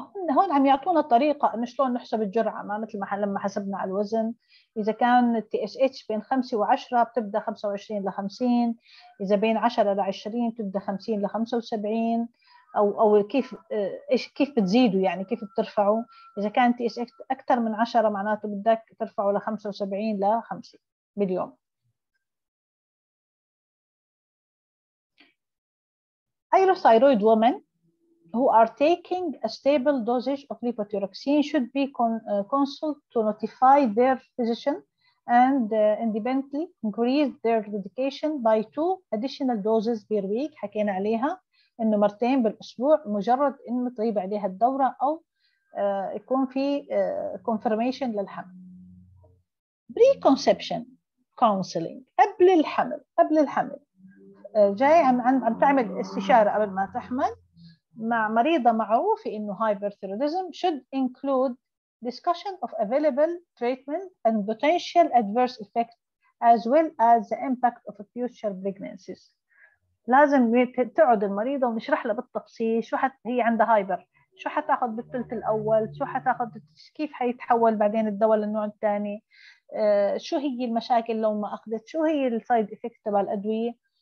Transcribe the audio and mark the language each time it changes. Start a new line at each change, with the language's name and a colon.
Arabic: هون عم يعطونا الطريقة إن شلون نحسب الجرعة، ما مثل ما لما حسبنا على الوزن، إذا كان الـ TSH بين 5 و 10 بتبدأ 25 ل 50، إذا بين 10 ل 20 بتبدأ 50 ل 75، أو كيف إيش كيف بتزيدوا، يعني كيف بترفعوا، إذا كان TSH أكثر من 10 معناته بدك ترفعوا ل 75 ل 50 باليوم.
English: Hyperthyroid woman who are taking a stable dosage of levothyroxine should be consulted to notify their physician and independently increase their medication by 2 additional doses per week.
Arabic: حكينا عليها انه مرتين بالاسبوع مجرد انه تغيب عليها الدوره او يكون في confirmation للحمل.
English: Preconception counseling
Arabic: قبل الحمل جاي عم تعمل استشاره قبل ما تحمل مع مريضه معروفه انه
English: hyperthyroidism should include discussion of available treatment and potential adverse effects as well as the impact of future pregnancies.
Arabic: لازم تقعد المريضة ونشرح لها بالتفصيل شو هي عندها هايبر، شو حتاخذ بالثلث الأول، شو حتاخذ، كيف حيتحول بعدين الدواء للنوع الثاني، شو هي المشاكل لو ما أخذت، شو هي السايد إفكت تبع الأدوية.